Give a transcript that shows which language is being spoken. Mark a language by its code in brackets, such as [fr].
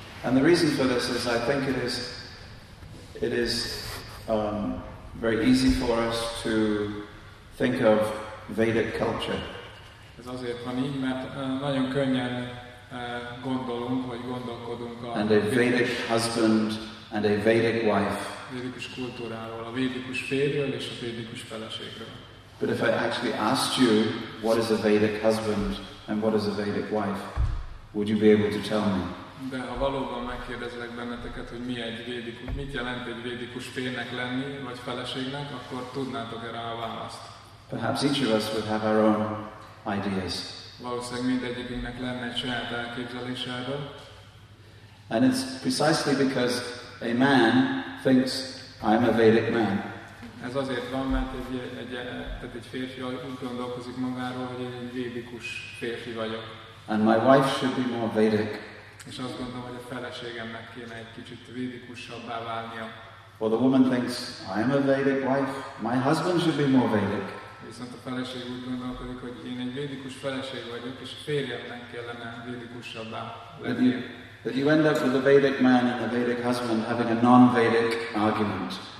[en] And the reason for this is I think it is very easy for us to think of Vedic culture. [hu] Ez azért van így, mert nagyon könnyen gondolunk, vagy gondolkodunk a [en] and a Vedic husband and a Vedic wife. [hu] Védikus kultúráról, a védikus férjről és a védikus feleségről. [en] But if I actually asked you what is a Vedic husband and what is a Vedic wife, would you be able to tell me? [hu] De ha valóban megkérdezlek benneteket, hogy mit jelent egy védikus férnek lenni, vagy feleségnek, akkor tudnátok erre a választ. [en] Perhaps each of us would have our own ideas. [hu] Valószínűleg mindegyikünknek lenne egy saját elképzelése erről. [en] And it's precisely because a man thinks I'm a Vedic man. [hu] Ez azért van, mert egy férfi úgy gondolkozik magáról, hogy egy védikus férfi vagyok. [en] And my wife should be more Vedic. [hu] És azt gondolom, hogy a feleségemnek kéne egy kicsit védikusabbá válnia. [en] Well, the woman thinks I'm a Vedic wife. My husband should be more Vedic. [hu] Viszont a feleség úgy gondolkodik, hogy én egy védikus feleség vagyok, és a férjemnek kellene védikusabbá lennie. [en] That you end up with a Vedic man and a Vedic husband having a non-Vedic argument.